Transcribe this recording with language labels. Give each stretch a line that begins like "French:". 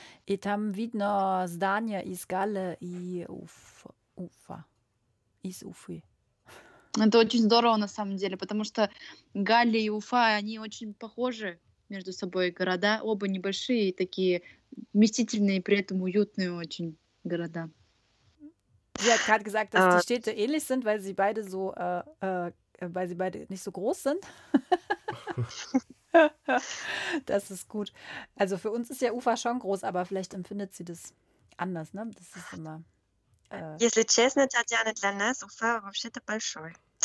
Russian: И там видно здание из Галле и Уфа. Из Уфы. Это очень здорово на самом деле, потому что Галли и Уфа, они очень похожи между собой, города. Оба небольшие, такие вместительные, при этом уютные очень города.
German: Sie hat gerade gesagt, dass die Städte ähnlich sind, weil sie beide so, weil sie beide nicht so groß sind. Das ist gut. Also für uns ist ja Ufa schon groß, aber vielleicht empfindet sie das anders, ne? Das ist immer.
Russian: Если честно, Татьяна, для нас Уфа вообще-то большой.